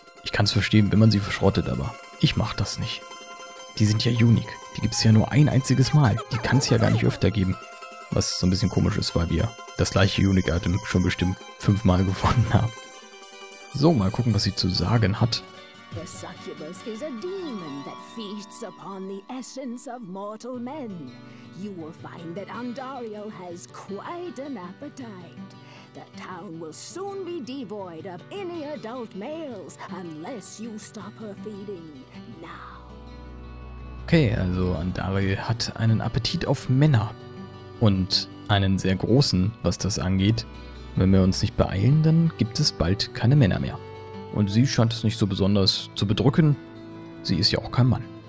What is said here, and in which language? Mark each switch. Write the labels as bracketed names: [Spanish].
[German] Ich kann es verstehen, wenn man sie verschrottet, aber ich mach das nicht. Die sind ja unique. Die gibt es ja nur ein einziges Mal. Die kann es ja gar nicht öfter geben. Was so ein bisschen komisch ist, weil wir das gleiche Unique-Item schon bestimmt 5-mal gefunden haben. So, mal gucken, was sie zu sagen hat. [English] The succubus is a demon that feasts upon the essence of mortal men. You will find that Andario has quite an appetite. The town will soon be devoid of any adult males, unless you stop her feeding now. [German] Okay, also Andario hat einen Appetit auf Männer. Und einen sehr großen, was das angeht. Wenn wir uns nicht beeilen, dann gibt es bald keine Männer mehr. Und sie scheint es nicht so besonders zu bedrücken. Sie ist ja auch kein Mann.